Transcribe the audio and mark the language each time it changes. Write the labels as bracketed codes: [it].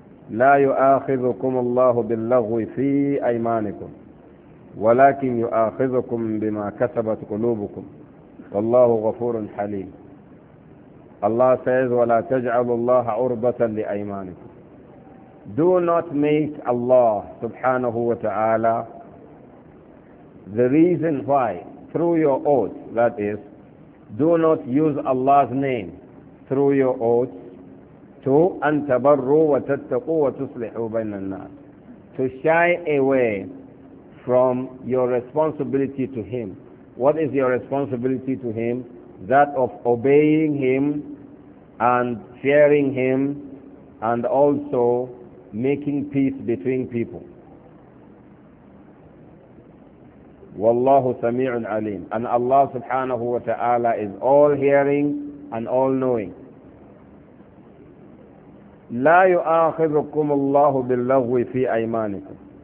[ar] لا يؤاخذكم الله باللغو في أيمانكم ولكن يؤاخذكم بما كسبت قلوبكم والله غفور حليم. الله [en] says [ar] ولا تجعلوا الله عربة لأيمانكم. [en] Do not make Allah سبحانه وتعالى the reason why through your oath, that is, do not use Allah's name through your oath to [ar] أن تبروا وتتقوا وتصلحوا بين الناس, [en] to shy away from your responsibility to him. What is your responsibility to him? That of obeying him and fearing him and also making peace between people. [ar] والله سميع عليم. [en] And Allah subhanahu wa ta'ala is all hearing and all knowing. [ar] لا يؤاخذكم الله باللغو في أيمانكم.